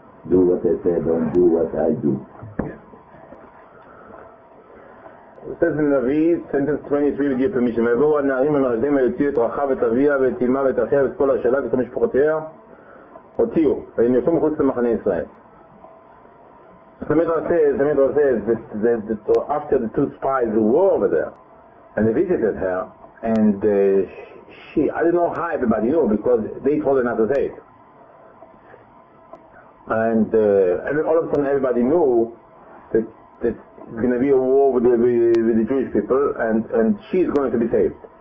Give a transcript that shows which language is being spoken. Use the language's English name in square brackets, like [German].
[English] Do what I say, don't do what I do. Says in Navi, sentence 23 will give permission. [Hebrew] ויבואו הנערים המרגלים ויוציאו את רחב ואת אביה ואת אמה ואת אחיה ואת כל השאלה ואת המשפחותיה הוציאו, והם יושבו מחוץ למחנה ישראל. [English] The Midrash says that after the two spies who were over there and they visited her and she, I don't know how everybody knew because they told her not to say it. And all of a sudden everybody knew that it's going to be a war with the Jewish people and she's going to be saved.